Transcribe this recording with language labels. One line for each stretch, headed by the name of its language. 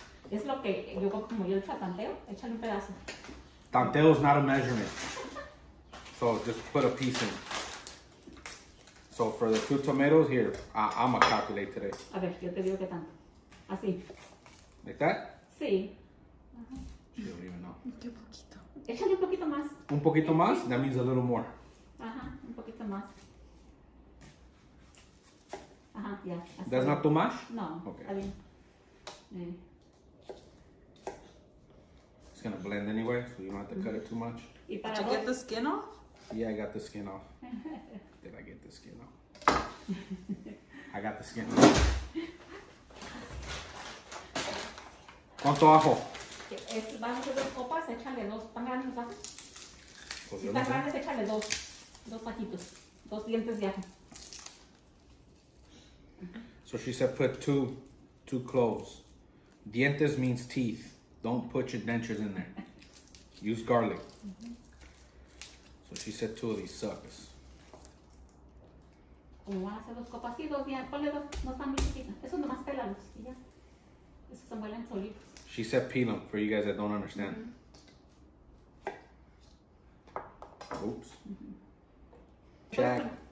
Spanish: Es lo que yo como yo echo a tanteo, échale un pedazo.
English: Tanteo is not a measurement. So just put a piece in. So for the two tomatoes here, I'm going to calculate today.
Spanish: A ver, yo te digo que tanto. Así.
English: Like that?
Spanish: Sí.
English: She don't even know.
Spanish: Un poquito. Échale un poquito más. Un poquito más?
English: That means a little more.
Spanish: Ajá, un poquito más. Ajá,
English: yeah. That's not too much? No. Okay. It's gonna blend anyway, so you don't have to cut it too much. Did you get the skin off? Yeah, I got the skin off. Did I get the skin off? I got the skin off.
Spanish: ¿Cuánto ajo? Vamos a hacer dos copas, échale dos panganos. Si están grandes, échale dos ajitos. Dos dientes de ajo.
English: So she said put two cloves. Dientes means teeth. Don't put your dentures in there. Use garlic. Mm-hmm. So she said two of these suckers.
Spanish: Como van a hacer dos copas, sí, dos dientes. Ponle dos, no están muy chiquitas. Esos nomás pelados, y ya. Esos se vuelan solitos.
English: She said peel them for you guys that don't understand. Mm-hmm. Oops. Jack.